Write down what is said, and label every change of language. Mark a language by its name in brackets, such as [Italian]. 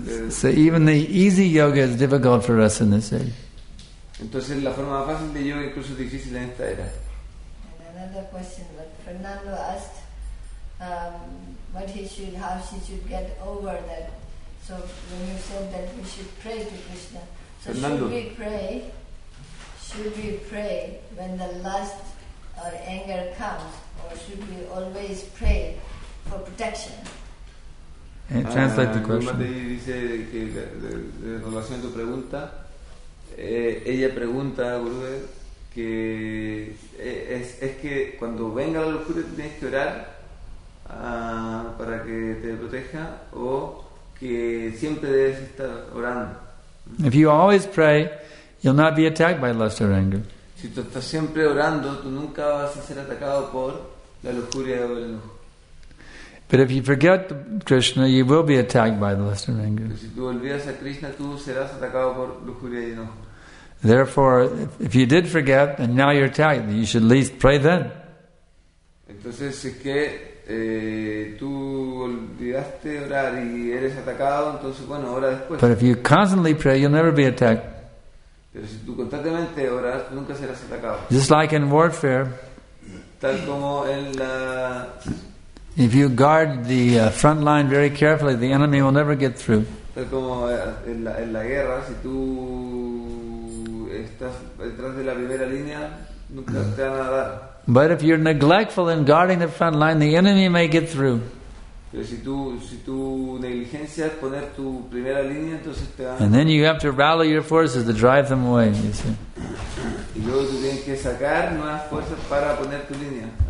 [English] So even the easy yoga is difficult for us in this age. [Spanish] Entonces la forma fácil de yoga incluso es difícil en esta era. [English] And another question that Fernando asked, how she should get over that. So when you said that we should pray to Krishna, so Fernando, should we pray when the lust or anger comes? Or should we always pray for protection? And translate the question. [Spanish] Mi madre dice que en relación a tu pregunta, ella pregunta, Gurudev, que es que cuando venga la locura tienes que orar para que te proteja, o que siempre debes estar orando. [English] If you always pray, you'll not be attacked by lust or anger. [Spanish] Si tú estás siempre orando, tú nunca vas a ser atacado por la lujuria o el enojo. [English] But if you forget Krishna, you will be attacked by the lust and anger. [Spanish] Si tú olvidas a Krishna, tú serás atacado por lujuria y enojo. [English] Therefore, if you did forget and now you're attacked, you should at least pray then. [Spanish] Entonces, si es que tú olvidaste orar y eres atacado, entonces bueno, ora después. [English] But if you constantly pray, you'll never be attacked. [Spanish] Pero si tú constantemente oras, nunca serás atacado. [English] Just like in warfare. [Spanish] Tal como en la... [English] If you guard the front line very carefully, the enemy will never get through. [Spanish] Tal como en la guerra, si tú estás detrás de la primera línea, nunca te van a dar. [English] But if you're neglectful in guarding the front line, the enemy may get through. [Spanish] Pero si tú, si tú negligencias poner tu primera línea, entonces te van. [English] And then you have to rally your forces to drive them away, you see. [Spanish] Y luego tú tienes que sacar nuevas fuerzas para poner tu línea.